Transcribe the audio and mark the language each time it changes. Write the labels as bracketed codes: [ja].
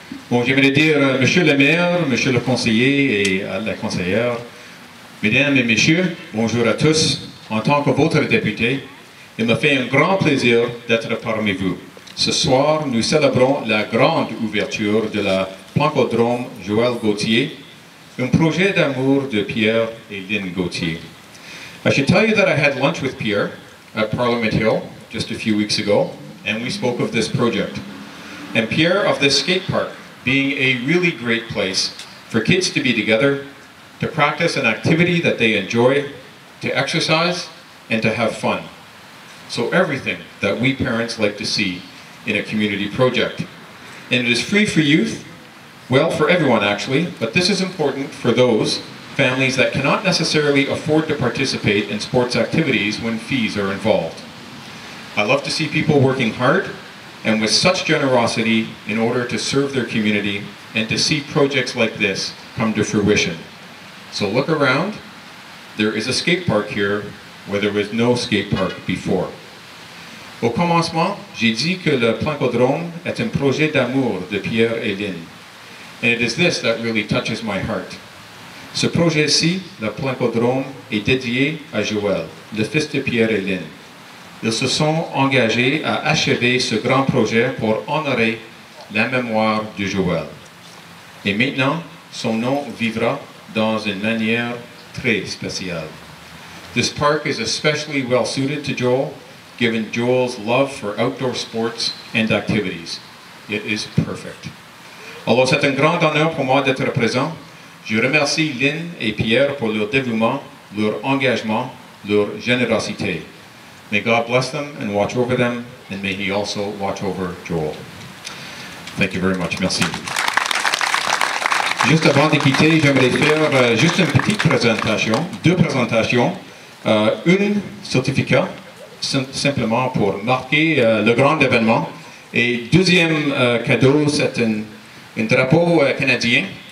[fr] Bon, j'aimerais dire, monsieur le maire, monsieur le conseiller et la conseillère, mesdames et messieurs, bonjour à tous. En tant que votre député, il me fait un grand plaisir d'être parmi vous. Ce soir, nous célébrons la grande ouverture de la Pancodrome Joël Gauthier, un projet d'amour de Pierre et Lynn Gauthier. [en] I should tell you that I had lunch with Pierre at Parliament Hill just a few weeks ago, and we spoke of this project. And Pierre, of this skate park being a really great place for kids to be together, to practice an activity that they enjoy, to exercise, and to have fun. So everything that we parents like to see in a community project. And it is free for youth, well, for everyone actually, but this is important for those families that cannot necessarily afford to participate in sports activities when fees are involved. I love to see people working hard and with such generosity in order to serve their community and to see projects like this come to fruition. So look around. There is a skate park here where there was no skate park before. [fr] Au commencement, j'ai dit que le Plancodrome est un projet d'amour de Pierre et Lynn. [en] And it is this that really touches my heart. [fr] Ce projet-ci, le Plancodrome, est dédié à Joël, le fils de Pierre et Lynn. Ils se sont engagés à achever ce grand projet pour honorer la mémoire de Joël. Et maintenant, son nom vivra dans une manière très spéciale. [en] This park is especially well suited to Joel, given Joel's love for outdoor sports and activities. It is perfect. [fr] Alors, c'est un grand honneur pour moi d'être présent. Je remercie Lynn et Pierre pour leur dévouement, leur engagement, leur générosité. [en] May God bless them and watch over them, and may he also watch over Joel. Thank you very much. [fr] Merci. Juste avant de quitter, j'aimerais faire juste une petite présentation, deux présentations. Une certificat, simplement pour marquer le grand événement. Et deuxième cadeau, c'est un drapeau canadien.